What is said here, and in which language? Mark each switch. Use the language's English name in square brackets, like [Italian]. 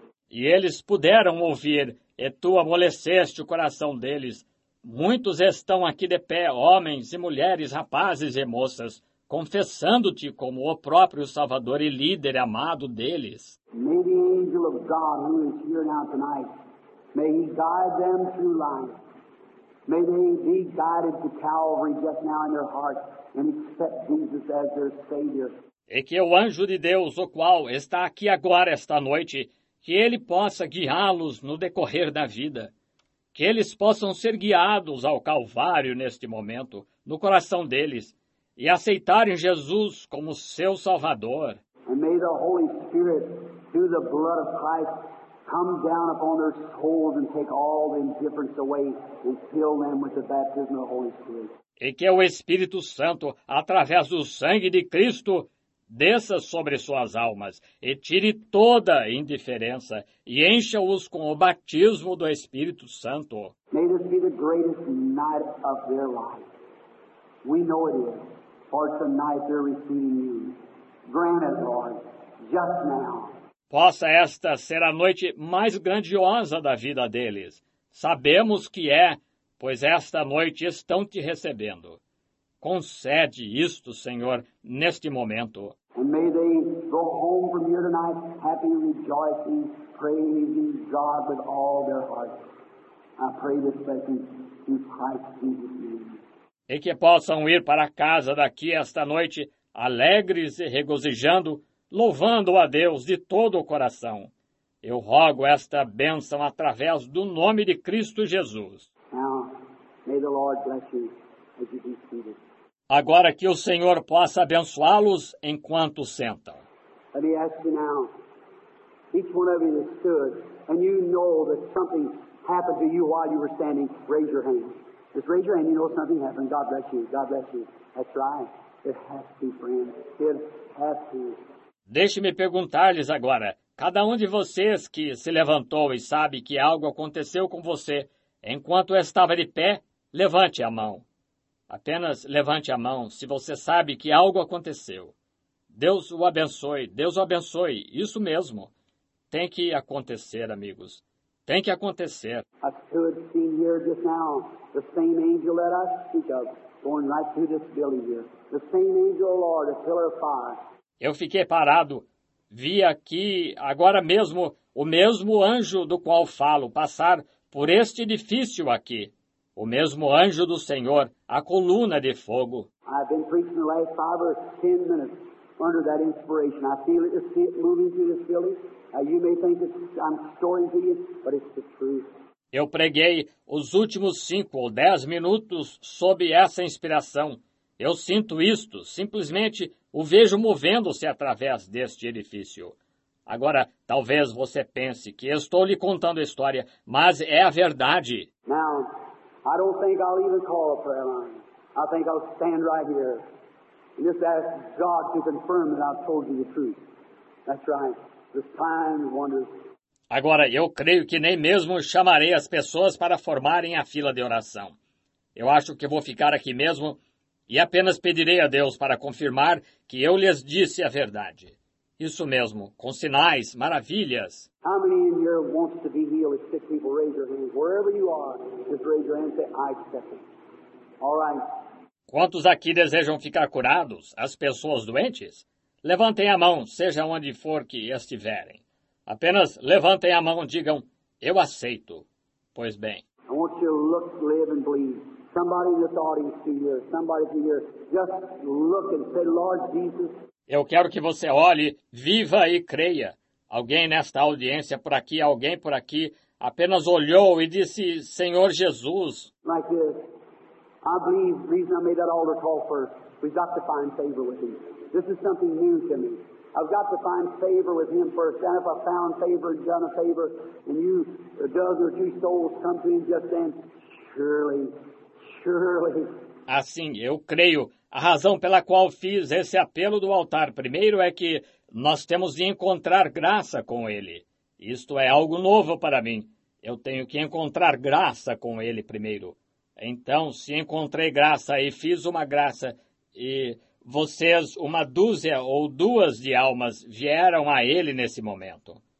[Portuguese] E eles puderam ouvir, e tu amoleceste o coração deles. Muitos estão aqui de pé, homens e mulheres, rapazes e moças, confessando-te como o próprio Salvador e líder amado deles. [English] May the angel of God who is here now tonight, may he guide them through life. May they be guided to Calvary just now in their heart and accept Jesus as their Savior. [Portuguese] E que o anjo de Deus, o qual está aqui agora esta noite, que ele possa guiá-los no decorrer da vida. Que eles possam ser guiados ao Calvário neste momento, no coração deles, e aceitarem Jesus como seu Salvador. [English] And may the Holy Spirit, through the blood of Christ, come down upon their souls and take all the indifference away and fill them with the baptism of the Holy Spirit. [Portuguese] E que o Espírito Santo, através do sangue de Cristo, desça sobre suas almas e tire toda a indiferença e encha-os com o batismo do Espírito Santo. [English] May this be the greatest night of their life. We know it is, for tonight they're receiving you. Grant it, Lord, just now. [Portuguese] Possa esta ser a noite mais grandiosa da vida deles. Sabemos que é, pois esta noite estão te recebendo. Concede isto, Senhor, neste momento. [English] And may they go home from here tonight, happy, rejoicing, praising God with all their hearts. I pray this blessing in Christ Jesus' name. [Portuguese] E que possam ir para casa daqui esta noite, alegres e regozijando, louvando a Deus de todo o coração. Eu rogo esta bênção através do nome de Cristo Jesus. [English] Now, may the Lord bless you as you be seated. [Portuguese] Agora que o Senhor possa abençoá-los enquanto sentam. [English] Let me ask you now, each one of you that stood, and you know that something happened to you while you were standing, raise your hand. Just raise your hand, you know something happened. God bless you, God bless you. That's right. It has to be, friends. It has to be. [Portuguese] Deixe-me perguntar-lhes agora, cada um de vocês que se levantou e sabe que algo aconteceu com você enquanto estava de pé, levante a mão. Apenas levante a mão se você sabe que algo aconteceu. Deus o abençoe, Deus o abençoe, isso mesmo. Tem que acontecer, amigos. Tem que acontecer. [English] I stood seeing here just now, the same angel that I speak of, going right through this building here. The same angel, Lord, a pillar of fire. [Portuguese] Eu fiquei parado, vi aqui, agora mesmo, o mesmo anjo do qual falo passar por este edifício aqui. O mesmo anjo do Senhor, a coluna de fogo. [English] I've been preaching the last 5 or 10 minutes under that inspiration. I feel it, just see it moving through this building. You may think it's, I'm storing to you, but it's the truth. [Portuguese] Eu preguei os últimos 5 ou 10 minutos sob essa inspiração. Eu sinto isto, simplesmente o vejo movendo-se através deste edifício. Agora, talvez você pense que estou lhe contando a história, mas é a verdade. [English] Now, I don't think I'll even call a prayer line. I think I'll stand right here and just ask God to confirm that I've told you the truth. That's right. The signs, wonders. [Portuguese] Agora, eu creio que nem mesmo chamarei as pessoas para formarem a fila de oração. Eu acho que vou ficar aqui mesmo e apenas pedirei a Deus para confirmar que eu lhes disse a verdade. Isso mesmo, com sinais, maravilhas. [English] How many in here wants to be healed? If sick people, raise your hand. Wherever you are, just raise your hand and say, I accept it. All right. [Portuguese] Quantos aqui desejam ficar curados? As pessoas doentes? Levantem a mão, seja onde for que estiverem. Apenas levantem a mão e digam, Eu aceito. Pois bem. [English] I want you to look, live and believe. Somebody in this audience here, somebody here, just look and say, Lord Jesus. [Portuguese] Eu quero que você olhe, viva e creia. Alguém nesta audiência por aqui, alguém por aqui, apenas olhou e disse, Senhor Jesus. [English] Like this. I believe the reason I made that altar call first, we've got to find favor with him. This is something new to me. I've got to find favor with him first. And if I found favor and done a favor, and you, a dozen or two souls come to him just then, surely, surely. [Portuguese] Assim, eu creio. A razão pela qual fiz esse apelo do altar primeiro é que nós temos de encontrar graça com ele. Isto é algo novo para mim. Eu tenho que encontrar graça com ele primeiro. Então, se encontrei graça e fiz uma graça, e vocês, uma dúzia ou duas de almas, vieram a ele nesse momento.